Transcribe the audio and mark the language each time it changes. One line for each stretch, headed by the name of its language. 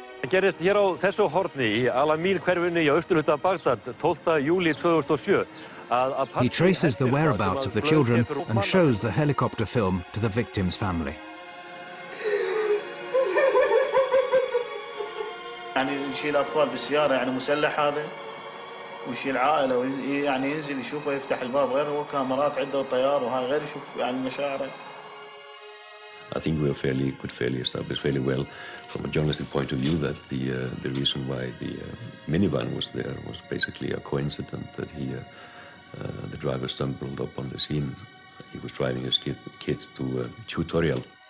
Icelandic: Gerist hér á þessu horni í Al-Amin hverfinu í austurhluta Bagdad 12. júlí 2007 að
English: Apache. He traces the whereabouts of the children and shows the helicopter film to the victim's family.
Arabic: يعني يشيل اطفال بالسياره يعني مسلح هذا ويشيل عائله يعني ينزل يشوفه يفتح الباب غير هو كاميرات عنده وطيار وهذا غير يشوف يعني مشاعره.
English: I think we are could fairly establish fairly well from a journalistic point of view that the reason why the minivan was there was basically a coincidence that the driver stumbled upon the scene. He was driving his kids to a tutorial.